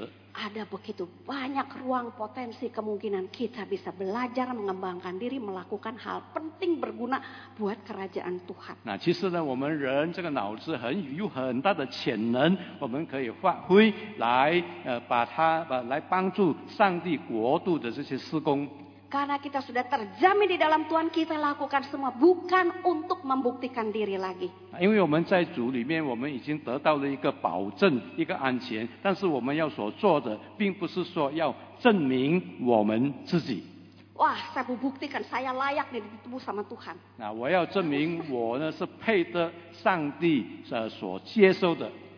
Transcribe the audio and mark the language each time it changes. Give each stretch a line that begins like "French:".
Indonesian: Ada begitu banyak ruang potensi kemungkinan kita bisa belajar mengembangkan diri melakukan hal penting berguna buat kerajaan Tuhan.
Chinese: Nah, 其实呢，我们人这个脑子很有很大的潜能，我们可以发挥来帮助上帝国度的这些施工。
Indonesian: Karena kita sudah terjamin di dalam Tuhan, kita lakukan semua bukan untuk membuktikan diri lagi.
Chinese: 因为我们在主里面，我们已经得到了一个保证，一个安全。但是我们要所做的，并不是说要证明我们自己。
Indonesian: Wah, saya mau buktikan saya layak ditemu sama Tuhan.
Chinese: Nah, 我要证明我呢是配得上帝所接受的。